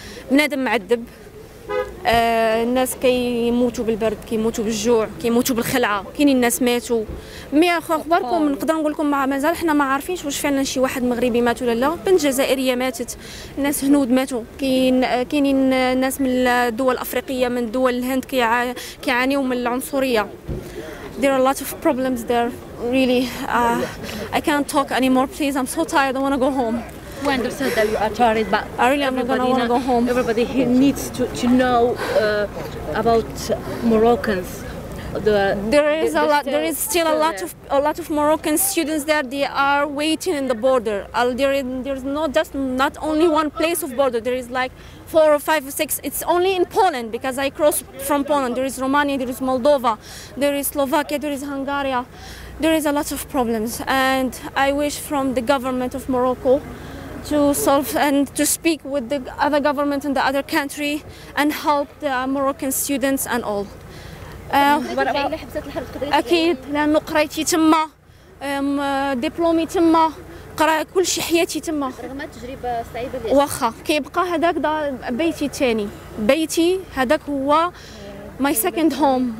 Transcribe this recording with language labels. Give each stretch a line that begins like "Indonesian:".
Arabic: بنادم معذب، الناس كيموتوا بالبرد، كيموتوا بالجوع، كيموتوا بالخلعه، كاينين الناس ماتوا. مي اخباركم؟ نقدر نقول لكم مازال حنا ما عارفينش واش فعلا شي واحد مغربي مات ولا لا. بنت جزائريه ماتت، ناس هنود ماتوا، كاينين ناس من الدول الافريقيه، من دول الهند كيعانيوا من العنصريه.
English: There are a lot of problems there really. I can't talk anymore please, I'm so tired, I want to go home. We understand that you are tired, but I really am not going to go home. Everybody here needs to know about Moroccans. There is still a lot of Moroccan students there. They are waiting in the border. There is not only one place of border. There is like 4 or 5 or 6. It's only in Poland because I cross from Poland. There is Romania, there is Moldova, there is Slovakia, there is Hungary. There is a lot of problems, and I wish from the government of Morocco to solve and to speak with the other government in the other country and help the Moroccan students and all.
Arabic: أكيد لأنه قريتي تما، دبلومي تما، قرأ كل شيء حياتي تما. رغم التجربة صعيبة. واخا كيبقى هذاك بيتي تاني، بيتي هذاك هو
English: my second home.